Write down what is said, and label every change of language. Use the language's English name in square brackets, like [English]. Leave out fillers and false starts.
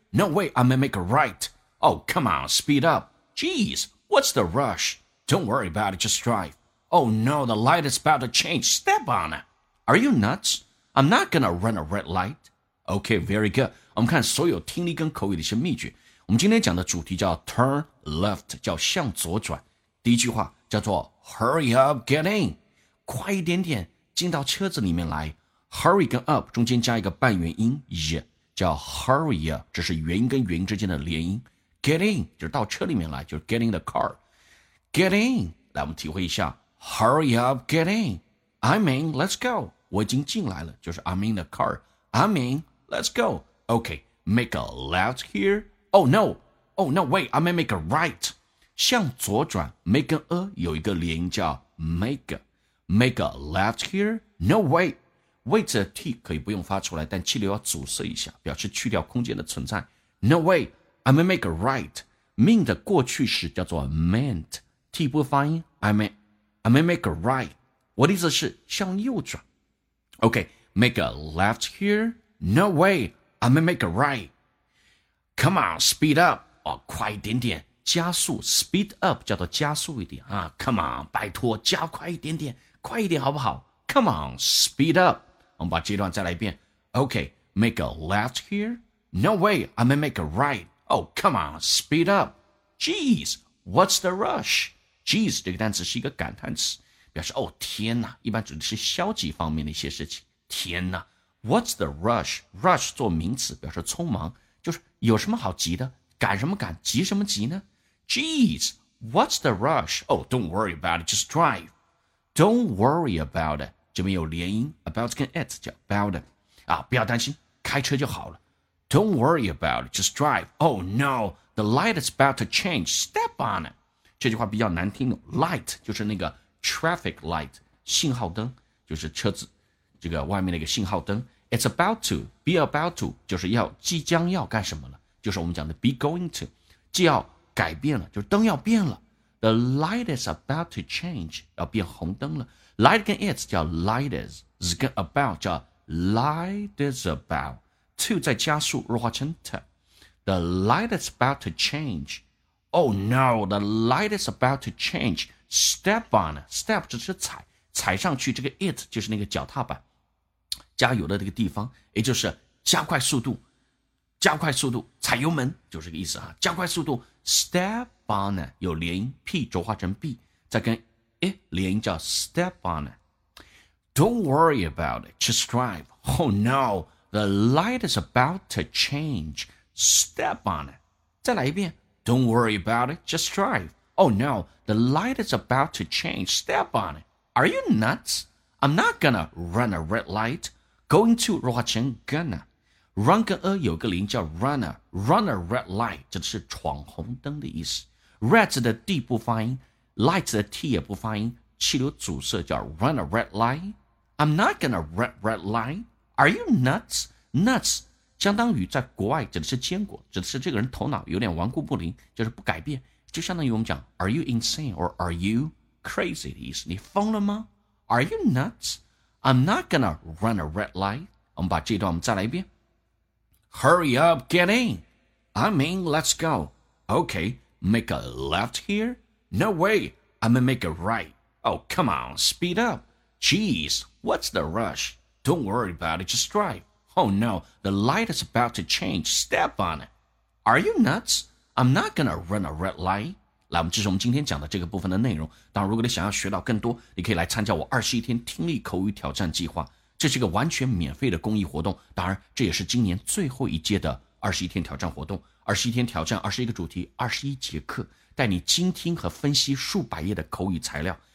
[English] No way, I'm gonna make a right. Oh, come on, speed up. Jeez, what's the rush? Don't worry about it, just drive. Oh no, the light is about to change. Step on it. Are you nuts? I'm not gonna run a red light. Okay, very good. [Chinese] 我们看所有听力跟口语的一些秘诀。我们今天讲的主题叫 turn left， 叫向左转。第一句话叫做 [English] hurry up get in， [Chinese] 快一点点进到车子里面来。 hurry 跟 up 中间加一个半元音 y， 叫 [English] hurry up， [Chinese] 这是元音跟元音之间的连音。 get in 就是到车里面来，就是 [English] get in the car。 [Chinese] get in， 来我们体会一下 [English] hurry up get in。 I'm in let's go， [Chinese] 我已经进来了，就是 [English] I'm in the car。 I'm in let's go。 OK， make a left hereOh no, wait, I'm gonna make a right. [Chinese] 向左转 make an a 有一个连音叫 make. [English] Make a left here? No way. [Chinese] Wait a t 可以不用发出来，但气流要阻塞一下，表示去掉空间的存在。 [English] No way, I'm gonna make a right. [Chinese] Mean 的过去式叫做 meant. [English] T [Chinese] 不发音 [English] I'm gonna make a right. [Chinese] 我的意思是向右转。 [English] OK, make a left here? No way, I'm gonna make a right. Come on, speed up. [Chinese] 哦，快一点点，加速 , [English] speed up, [Chinese] 叫做加速一点啊。 Come on, 拜托加快一点点，快一点好不好 ? [English] Come on, speed up. [Chinese] 我们把这段再来一遍。 [English] Okay, make a left here? No way, I'm gonna make a right. Oh, come on, speed up. Jeez, what's the rush? [Chinese] Jeez, 这个单词是一个感叹词，表示哦天哪，一般指的是消极方面的一些事情。天哪 , [English] what's the rush? [Chinese] Rush 做名词表示匆忙。就是有什么好急的，赶什么赶，急什么急呢？ [English] Jeez, what's the rush? Oh, don't worry about it, just drive. Don't worry about it. [Chinese] 这边有连音 about 跟 it 叫 about it. 啊，不要担心，开车就好了。 [English] Don't worry about it, just drive. Oh no, the light is about to change. Step on it. [Chinese] 这句话比较难听的 light 就是那个 traffic light, 信号灯，就是车子这个外面那个信号灯。 It's about to, be about to, 就是要即将要干什么了，就是我们讲的 be going to, 既要改变了，就是灯要变了。 [English] The light is about to change, [Chinese] 要变红灯了。 Light 跟 it 叫 light is, z 跟 about 叫 light is about, to 再加速弱化成 t. [English] The light is about to change. Oh no, the light is about to change. [Chinese] Step on, step 就是踩，踩上去这个 it 就是那个脚踏板。加油的这个地方，也就是加快速度，加快速度，踩油门，就是这个意思啊，加快速度 [English] step on it, [Chinese] 有连音 P 浊化成 B, 再跟 A 连音叫 step on it. [English] Don't worry about it, just drive. Oh no, the light is about to change. Step on it. [Chinese] 再来一遍 [English] Don't worry about it, just drive. Oh no, the light is about to change. Step on it. Are you nuts? I'm not gonna run a red light. Going to [Chinese] 弱化成 [English] gonna. [Chinese] Run 跟 a 有个连叫 runner. [English] Run a red light, [Chinese] 这是闯红灯的意思。 Red 的 d 不发音， light 的 t 也不发音，气流阻塞叫 [English] run a red light. I'm not gonna run a red light. Are you nuts? [Chinese] Nuts 相当于在国外指的是坚果，指的是这个人头脑有点顽固不灵，就是不改变，就相当于我们讲 [English] are you insane or are you crazy [Chinese] 的意思。你疯了吗？ [English] Are you nuts? I'm not gonna run a red light. [Chinese] 我们把这段我们再来一遍。 [English] Hurry up, get in. I'm in, let's go. Okay, make a left here? No way, I'm gonna make a right. Oh, come on, speed up. Jeez, what's the rush? Don't worry about it, just drive. Oh no, the light is about to change. Step on it. Are you nuts? I'm not gonna run a red light. [Chinese] 来，我们这是我们今天讲的这个部分的内容。当然，如果你想要学到更多，你可以来参加我21天听力口语挑战计划。这是一个完全免费的公益活动。当然，这也是今年最后一届的21天挑战活动。 21天挑战21个主题21节课，带你精听和分析数百页的口语材料。